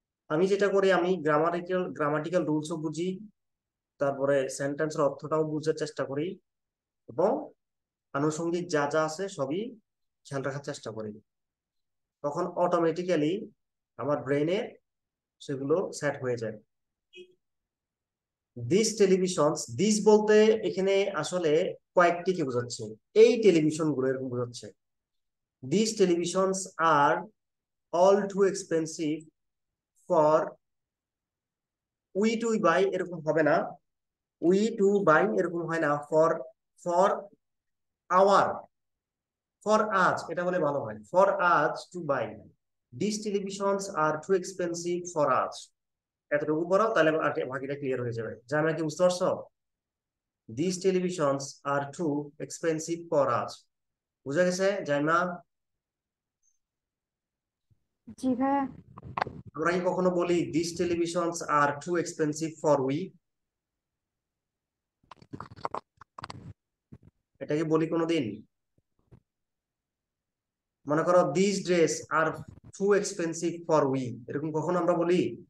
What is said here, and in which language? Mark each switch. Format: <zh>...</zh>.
<bn>আমি যেটা করি, আমি গ্রামাটিক্যাল রুলস ও বুঝি, তারপরে সেন্টেন্স এর অর্থটাও বুঝার চেষ্টা করি, এবং আনুষঙ্গিক যা যা আছে সবই খেয়াল রাখার চেষ্টা করি, তখন অটোমেটিক্যালি আমার ব্রেনে সেগুলো সেট হয়ে যায়। দিস টেলিভিশন, দিস বলতে এখানে আসলে কয়েকটিকে বোঝাচ্ছে, এই টেলিভিশন গুলো এরকম বোঝাচ্ছে,</bn> <en>These televisions are all too expensive for we to buy</en> <bn>এরকম হবে না</bn> <en>we to buy</en> <bn>এরকম হয় না</bn> <en>for our for us</en> <bn>এটা বলে ভালো হয়</bn> <en>for us to buy these televisions are too expensive for us</en> <bn>এতটুকু পড়াও তাহলে আর বাকিটা ক্লিয়ার হয়ে যাবে জানো কি বুঝতে পারছো</bn> <en>these televisions are too expensive for us</en> <bn>বুঝা গেছে জানি না জি ভাইয়া আমরা কি কখনো বলি</bn> <en>this televisions are too expensive for we</en> <bn>এটা কি বলি কোনোদিন মনে করো</bn> <en>this dress are too expensive for we</en> <bn>এরকম কখন আমরা বলি</bn>